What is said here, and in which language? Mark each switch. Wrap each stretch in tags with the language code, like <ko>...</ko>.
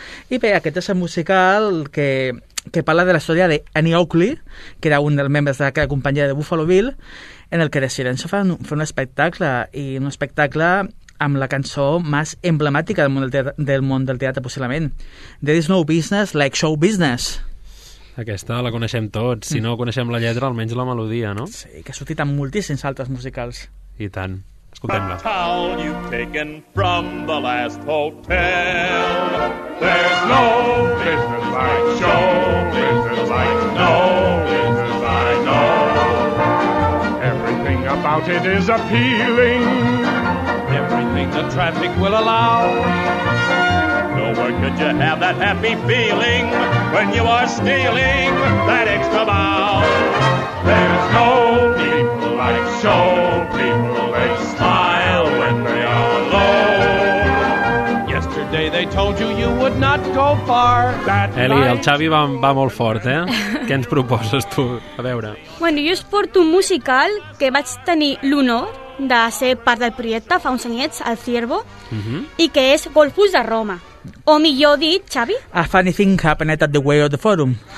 <ca>I bé, aquest és el musical que parla de la història d'Annie Oakley, que era un dels membres de la companyia de Buffalo Bill, en el que deciden fer un espectacle, i un espectacle amb la cançó més emblemàtica del món del teatre, possiblement.</ca> <en>There is no business like show business.</en> <ca>Aquesta la coneixem tots. Si no coneixem la lletra, almenys la melodia, no? Sí, que ha sortit en moltíssims altres musicals. I tant. Escoltem-la.</ca> <en>Towel you've taken from the last hotel. There's no business like show business like no business I know. Everything about it is appealing. The traffic will allow. Nowhere could you have that happy feeling when you are stealing that extra bow. There's no people like show people. They smile when they are alone. Yesterday they told you you would not go far.</en> <ca>Eli, el Xavi va molt fort, eh? Què ens proposes tu? A veure. Bueno, jo es porto un musical que vaig tenir l'honor de ser part del projecte fa uns anyets, El Ciervo, uh-huh, i que és Golfos de Roma. O millor dit, Xavi,</ca> <en>A Funny Thing Happened at the Way of the Forum.</en>